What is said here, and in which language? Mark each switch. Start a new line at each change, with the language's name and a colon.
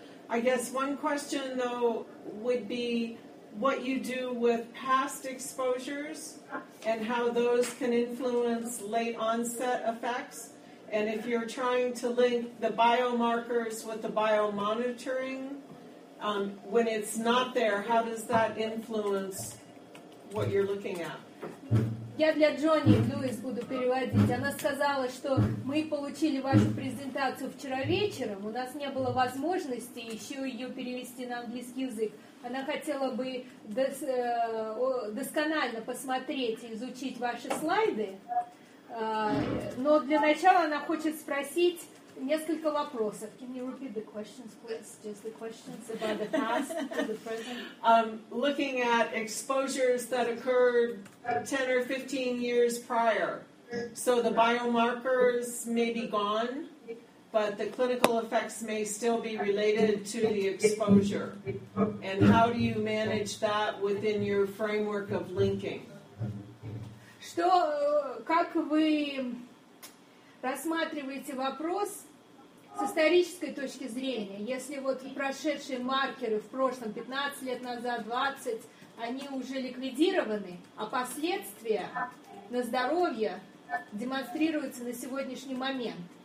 English: I guess one question, though, would be what you do with past exposures and how those can influence late onset effects, and if you're trying to link the biomarkers with the biomonitoring, when it's not there, how does that influence what you're looking at?
Russian: Я для Джонни Льюис буду переводить. Она сказала, что мы получили вашу презентацию вчера вечером. У нас не было возможности еще ее перевести на английский язык. Она хотела бы досконально посмотреть и изучить ваши слайды. Но для начала она хочет спросить несколько вопросов.
English: Can you repeat the questions, please? Just the questions about the past to the present. Looking at exposures that occurred 10 or 15 years prior. So the biomarkers may be gone, but the clinical effects may still be related to the exposure. And how do you manage that within your framework of linking?
Russian: Что, как вы рассматриваете вопрос с исторической точки зрения? Если вот прошедшие маркеры в прошлом, 15 лет назад, 20, они уже ликвидированы, а последствия на здоровье демонстрируются на сегодняшний момент.